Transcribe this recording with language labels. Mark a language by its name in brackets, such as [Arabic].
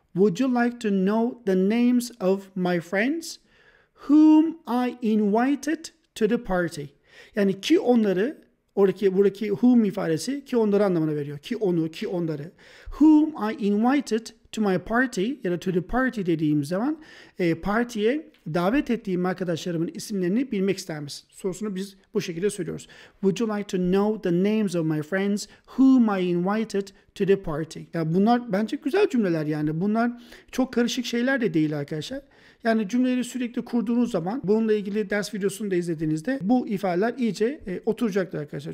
[English] Would you like to know the names of my friends whom I invited to the party? [Turkish] Yani ki onları, oradaki buradaki whom ifadesi ki onları anlamına veriyor. Ki onu, ki onları. [English] Whom I invited to my party, [Turkish] ya da [English] to the party [Turkish] dediğim zaman partiye davet ettiğim arkadaşlarımın isimlerini bilmek ister misin? Sorusunu biz bu şekilde söylüyoruz. [English] Would you like to know the names of my friends whom I invited to the party? [Turkish] Ya bunlar bence güzel cümleler yani. Bunlar çok karışık şeyler de değil arkadaşlar. Yani cümleleri sürekli kurduğunuz zaman bununla ilgili ders videosunu da izlediğinizde bu ifadeler iyice oturacaktır arkadaşlar.